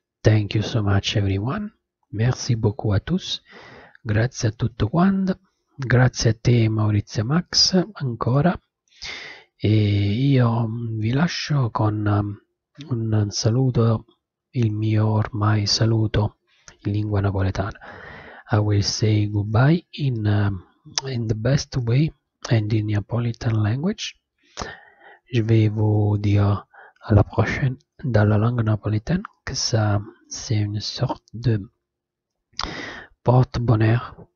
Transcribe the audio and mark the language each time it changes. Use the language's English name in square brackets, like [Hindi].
[English] Thank you so much everyone. [French] Merci beaucoup à tous. [Italian] Grazie a tutto quanto. Grazie a te, Maurizio Max, ancora. E io vi lascio con un saluto, il mio ormai saluto in lingua napoletana. [English] I will say goodbye in the best way and in Neapolitan language. [French] Je vais vous dire à la prochaine dans la langue napolitaine, que ça, c'est une sorte de porte-bonheur.